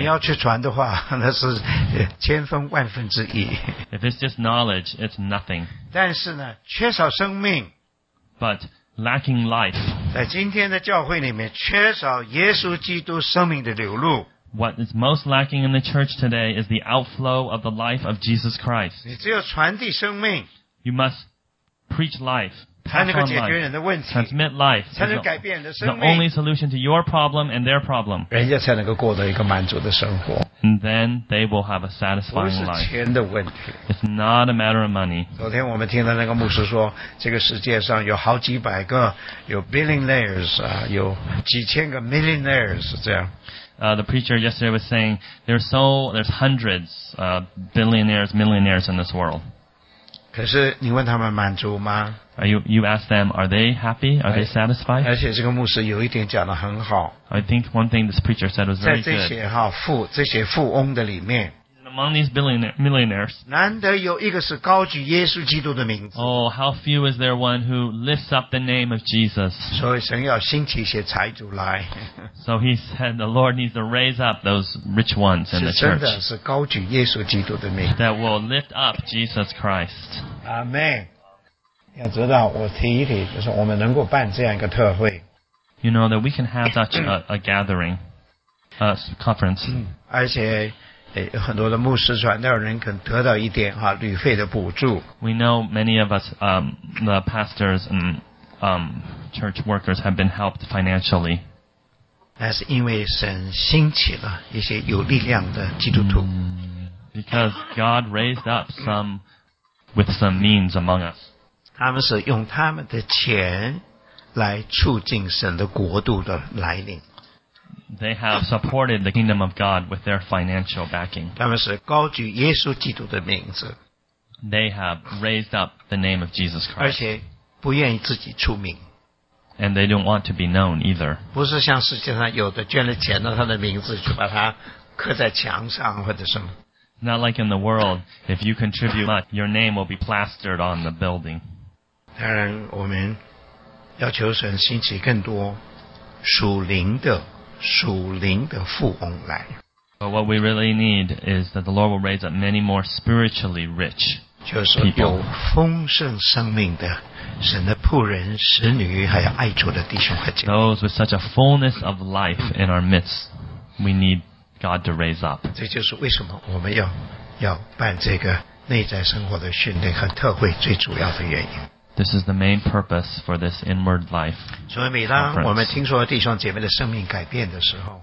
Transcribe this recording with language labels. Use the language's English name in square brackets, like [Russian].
[Chinese] 你要去传的话，那是千分万分之一。 [English] If it's just knowledge, it's nothing. [Chinese] 但是呢，缺少生命。 [English] But lacking life. [Chinese] 在今天的教会里面，缺少耶稣基督生命的流露。 [English] What is most lacking in the church today is the outflow of the life of Jesus Christ. [Chinese] 你只有传递生命。 [English] You must preach life. [Chinese] 才能够解决人的问题 [English] transmit life [Chinese] 才能改变人的生命 [English] the only solution to your problem and their problem [Chinese] 人家才能够过得一个满足的生活 [English] and then they will have a satisfying life [Chinese] 不是钱的问题 [English] it's not a matter of money [Chinese] 昨天我们听到那个牧师说这个世界上有好几百个有 billionaires、有几千个 millionaires 这样 [English] The preacher yesterday was saying there's hundreds billionaires, millionaires in this world [Chinese] 可是你问他们满足吗 [English] You ask them, are they happy? Are they satisfied? [Chinese] 而且这个牧师有一点讲得很好。 [English] I think one thing this preacher said was very good. [Chinese] 在这些富翁的里面。 [English] In among these millionaires. [Chinese] 难得有一个是高举耶稣基督的名字。 [English] Oh, how few is there one who lifts up the name of Jesus. [Chinese] 所以神要兴起一些财主来。 [English] So he said the Lord needs to raise up those rich ones in the church. [Chinese] 是真的是高举耶稣基督的名字。 [English] That will lift up Jesus Christ. Amen. [Chinese] 要知道我提一提就是我们能够办这样一个特会。 [English] You know that we can have such a gathering, a conference. [Chinese] 而且有很多的牧师传道人可能得到一点哈旅费的补助。 [English] We know many of us, the pastors and church workers have been helped financially. [Chinese] That's 因为神兴起了一些有力量的基督徒。 [English] Because God raised up some with some means among us. [Chinese] 他们是用他们的钱来促进神的国度的来临。 [English] They have supported the kingdom of God with their financial backing. [Chinese] 他们是高举耶稣基督的名字。 [English] They have raised up the name of Jesus Christ. [Chinese] 而且不愿意自己出名。 [English] And they don't want to be known either. [Chinese] 不是像世界上有的捐了钱了他的名字就把它刻在墙上或者什么。 [English] Not like in the world, if you contribute much, your name will be plastered on the building. [Chinese] 当然我们要求神兴起更多属灵的富翁来。 [English] But what we really need is that the Lord will raise up many more spiritually rich people. [Chinese] 就是有丰盛生命的神的仆人、使女还有爱主的弟兄和姐妹。 [English] Those with such a fullness of life in our midst, we need God to raise up. [Chinese] 这就是为什么我们要办这个内在生活的训练和特会最主要的原因。 [English] This is the main purpose for this inward life conference.